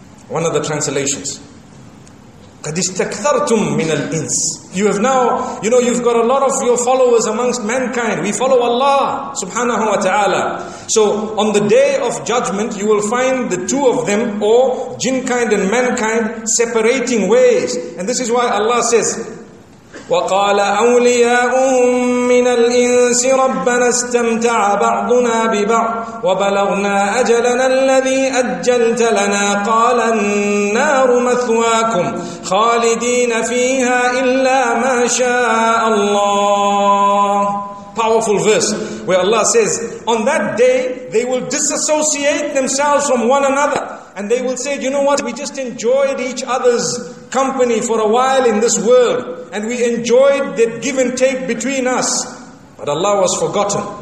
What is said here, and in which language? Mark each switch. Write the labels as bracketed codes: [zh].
[en] One of the translations. [ar] قَدْ اِسْتَكْثَرْتُمْ مِنَ الْإِنْسِ. [en] You have now, you know, you've got a lot of your followers amongst mankind. We follow Allah subhanahu wa ta'ala. So on the day of judgment, you will find the two of them, or jinn kind and mankind, separating ways. And this is why Allah says, [ar] وَقَالَ أَوْلِيَاءٌ مِّنَ الْإِنسِ رَبَّنَا اسْتَمْتَعَ بَعْضُنَا بِبَعْضٍ وَبَلَغْنَا أَجَلَنَا الَّذِي أَجَّلْتَ لَنَا قَالَ النَّارُ مَثْوَاكُمْ خَالِدِينَ فِيهَا إِلَّا مَا شَاءَ اللَّهُ. [en] Powerful verse where Allah says, on that day they will disassociate themselves from one another. And they will say, you know what, we just enjoyed each other's company for a while in this world. And we enjoyed that give and take between us. But Allah was forgotten.